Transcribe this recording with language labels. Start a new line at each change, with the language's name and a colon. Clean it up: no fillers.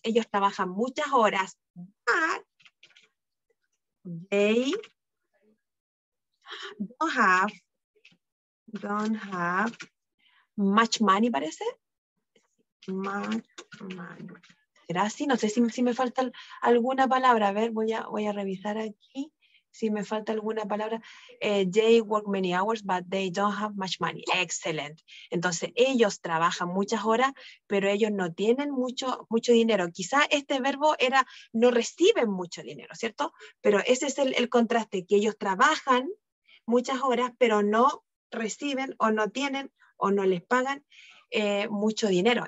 Spanish: Ellos trabajan muchas horas.
English: But they don't have much money, parece.
Spanish: Much money. ¿Será así? No sé si me falta alguna palabra. A ver, voy a revisar aquí si me falta alguna palabra.
English: They work many hours, but they don't have much money. Excellent.
Spanish: Entonces, ellos trabajan muchas horas, pero ellos no tienen mucho dinero. Quizá este verbo era no reciben mucho dinero, ¿cierto? Pero ese es el contraste, que ellos trabajan muchas horas, pero no reciben o no tienen o no les pagan mucho dinero.